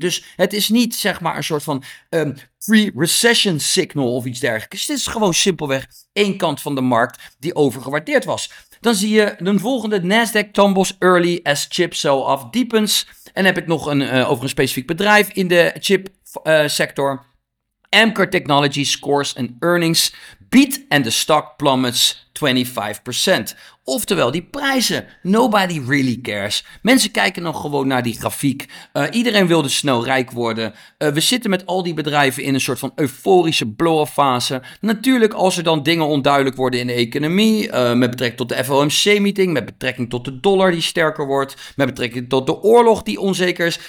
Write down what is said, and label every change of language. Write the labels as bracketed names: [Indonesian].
[Dutch] Dus het is niet, zeg maar, een soort van [English] pre-recession signal [Dutch] of iets dergelijks. Dus het is gewoon simpelweg één kant van de markt die overgewaardeerd was. Dan zie je de volgende: [English] Nasdaq tumbles early as chip sell-off deepens. [Dutch] En heb ik nog een over een specifiek bedrijf in de chip sector. [English] Amkor Technology scores an earnings beat and the stock plummets 25%. [Dutch] Oftewel, die prijzen, [English] nobody really cares. [Dutch] Mensen kijken nog gewoon naar die grafiek. Iedereen wilde snel rijk worden. We zitten met al die bedrijven in een soort van euforische blow-off fase. Natuurlijk, als er dan dingen onduidelijk worden in de economie, met betrekking tot de FOMC-meeting, met betrekking tot de dollar die sterker wordt, met betrekking tot de oorlog die onzeker is.